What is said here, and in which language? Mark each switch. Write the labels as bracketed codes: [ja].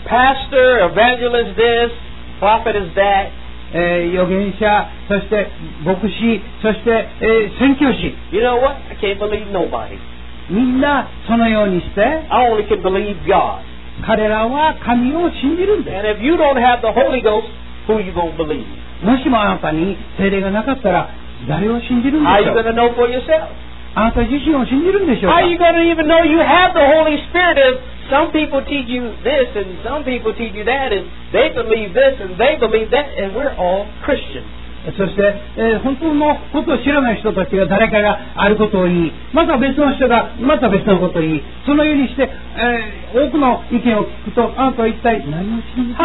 [en] Pastor, evangelist this, prophet is that. [ja] 預言者、そして牧師、そして、宣教師。 [en] You know what? I can't believe nobody. [ja] みんなそのようにして、 [en] I only can believe God. [ja] 彼らは神を信じるんです。 [en] And if you don't have the Holy Ghost, who you gonna believe? [ja] もしもあなたに聖霊がなかったら、誰を信じるんでしょう? [en] How you gonna know for yourself? [ja] あなた自身を信じるんでしょうか? [en] How you gonna even know you have the Holy Spirit if some people teach you this and some people teach you that and they believe this and they believe that and we're all Christians. [ja] そして、本当のことを知らない人たちが誰かがあることを言い、また別の人がまた別のことを言い、そのようにして、多くの意見を聞くと、あなたは一体何を信じるんでしょう。